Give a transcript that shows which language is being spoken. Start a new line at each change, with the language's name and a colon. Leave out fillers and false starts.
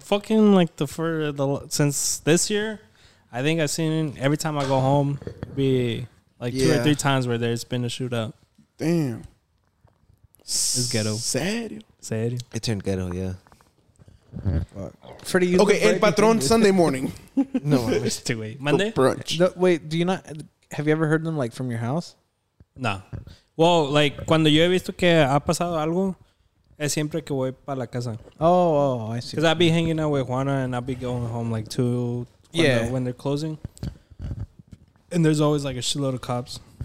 English: Fucking like since this year, I think I've seen every time I go home, be like 2 or 3 times where there's been a shootout. Damn, it's ghetto. Sad. Sad. It turned ghetto. Yeah, Freddy, you okay, and Patron Sunday morning. No, it's too late. Monday? For brunch. No, wait, do you not... Have you ever heard them, like, from your house? No. Well, like,
Spanish: cuando yo he visto que ha pasado algo, es siempre que voy para la casa.
English: Oh, oh, I see. Because I'd be hanging out with Juana, and I'd be going home, like, two... Yeah. When they're closing. And there's always, like, a shitload of cops.